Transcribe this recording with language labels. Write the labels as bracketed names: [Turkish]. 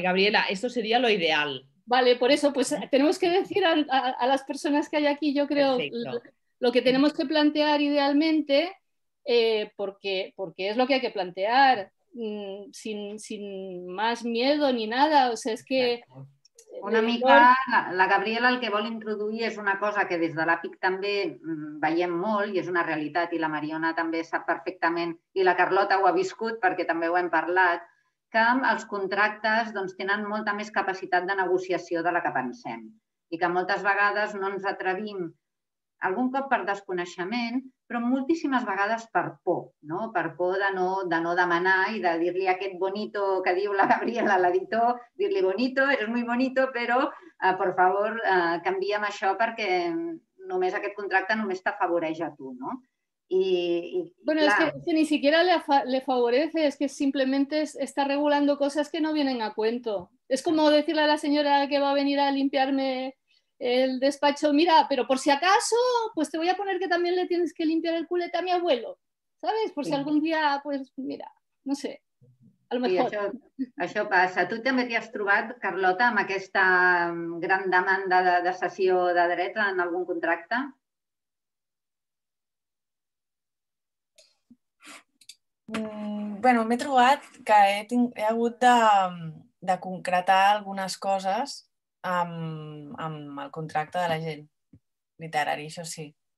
[Spanish] Gabriela, esto sería lo ideal. Vale, por eso, pues tenemos que decir a las personas que hay aquí, yo creo, lo que tenemos que plantear idealmente, porque es lo que hay que plantear, sin más miedo ni nada, o sea, es que... [Catalan] Una mica, la Gabriela el que vol introduir és una cosa que des de l'APIC també veiem molt i és una realitat i la Mariona també sap perfectament i la Carlota ho ha viscut perquè també ho hem parlat, que els contractes doncs, tenen molta més capacitat de negociació de la que pensem i que moltes vegades no ens atrevim, algun cop per desconeixement, però moltíssimes vegades per por, no? Per por de no demanar i de dir-li aquest bonito que diu la Gabriela, l'editor, dir-li bonito, [Spanish] eres muy bonito, [Catalan] però, [Spanish] por favor, [Catalan] canvia'm això perquè només aquest contracte només t'afavoreix a tu, no? [Spanish] Bueno, es que ni siquiera le favorece, es que simplemente está regulando cosas que no vienen a cuento. Es como decirle a la señora que va a venir a limpiarme el despacho, mira, pero por si acaso, pues te voy a poner que también le tienes que limpiar el culete a mi abuelo, ¿sabes? Por si algún día, pues mira, no sé, a lo mejor. Sí, [Catalan] això passa. Tu també t'hi has trobat, Carlota, amb aquesta gran demanda de cessió de drets en algun contracte? Bueno, m'he trobat que he hagut de concretar algunes coses amb el contracte de l'agent literari, això sí.